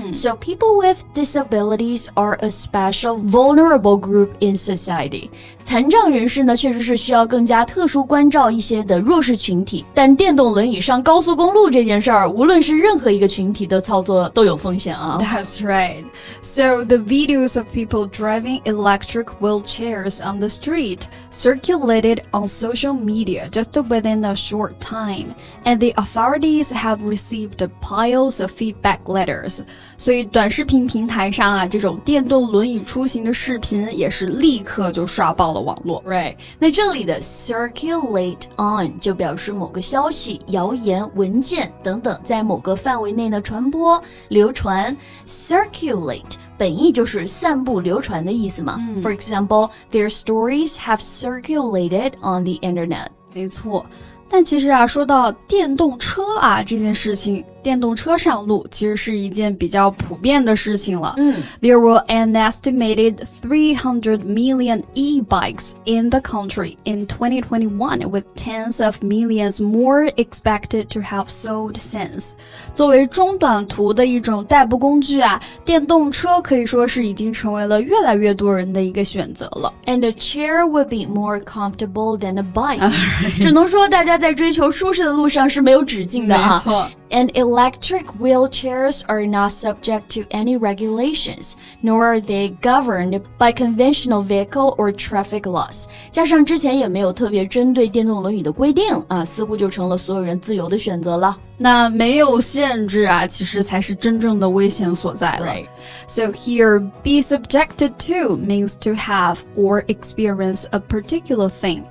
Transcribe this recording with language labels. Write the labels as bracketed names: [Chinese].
[English] So people with disabilities are a special vulnerable group in society. [Chinese] 残障人士呢，确实是需要更加特殊关照一些的弱势群体。但电动轮椅上高速公路这件事儿，无论是任何一个群体的操作都有风险啊。 [English] That's right. So the videos of people driving electric wheelchairs on the street circulated on social media just within a short time, and the authorities have received piles of feedback letters. [Chinese] 所以短视频平台上啊，这种电动轮椅出行的视频也是立刻就刷爆了网络。 [English] Right. [Chinese] 那这里的 circulate on 就表示某个消息、谣言、文件等等在某个范围内的传播、流传。 Circulate本意就是散布流传的意思嘛。 [English] For example, their stories have circulated on the internet. [Chinese] 没错。但其实啊，说到电动车啊这件事情，电动车上路其实是一件比较普遍的事情了。嗯， [English] There were an estimated 300 million e-bikes in the country in 2021, with tens of millions more expected to have sold since. [Chinese] 作为中短途的一种代步工具啊，电动车可以说是已经成为了越来越多人的一个选择了。 [English] And a chair would be more comfortable than a bike. [Chinese] 只能说大家在追求舒适的路上是没有止境的啊。没错。 [English] And electric wheelchairs are not subject to any regulations, nor are they governed by conventional vehicle or traffic laws. [Chinese] 加上之前也没有特别针对电动轮椅的规定啊，似乎就成了所有人自由的选择了。那没有限制啊，其实才是真正的危险所在了。 [English] Right. So here, be subjected to means to have or experience a particular thing.